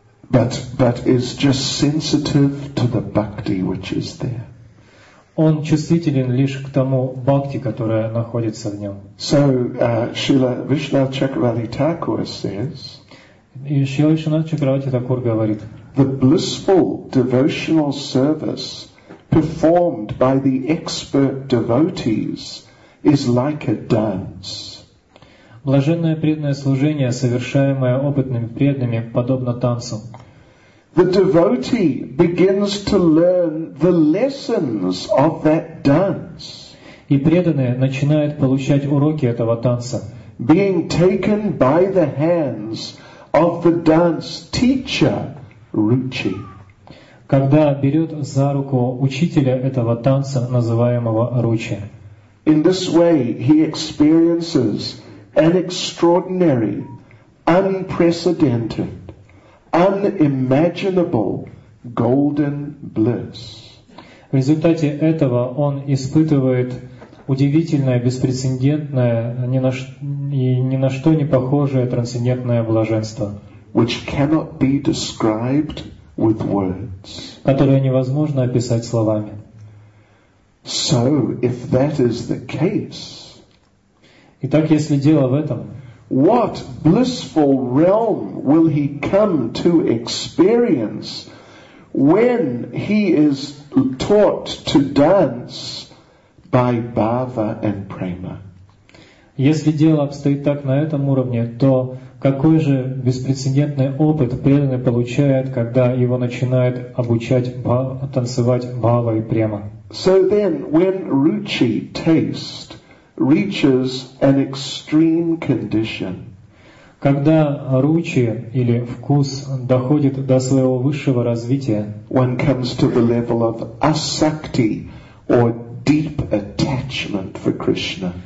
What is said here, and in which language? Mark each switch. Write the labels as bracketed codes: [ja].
[en] But is just sensitive to the bhakti which is there. [ru] Он чувствителен лишь к тому бхакти, которая находится в нем. [en] So Srila Vishnu Chakravarti Thakur says. [ru] И Шрила Вишна Чакравати Такур говорит. [en] The blissful devotional service performed by the expert devotees is like a dance. [ru] Блаженное преданное служение, совершаемое опытными преданными, подобно танцу. [en] The devotee begins to learn the lessons of that dance. [ru] И преданный начинает получать уроки этого танца. [en] Being taken by the hands of the dance teacher, Ruchi. [ru] К когда берет за руку учителя этого танца, называемого Ручи. [en] In this way, he experiences an extraordinary, unprecedented, unimaginable golden bliss. [ru] В результате этого он испытывает удивительное, беспрецедентное, ни на что не похожее трансцендентное блаженство, [en] which cannot be described with words. [ru] Которое невозможно описать словами. [en] So, if that is the case, [ru] итак, если дело в этом, [en] what blissful realm will he come to experience when he is taught to dance by Bhava and Prema? [ru] Если дело обстоит так на этом уровне, то какой же беспрецедентный опыт преданный получает, когда его начинают обучать танцевать Бхава и Према? [en] So then, when Ruchi taste reaches an extreme condition, [ru] когда Ruchi или вкус доходит до своего высшего развития, [en] one comes to the level of asakti or deep attachment for Krishna.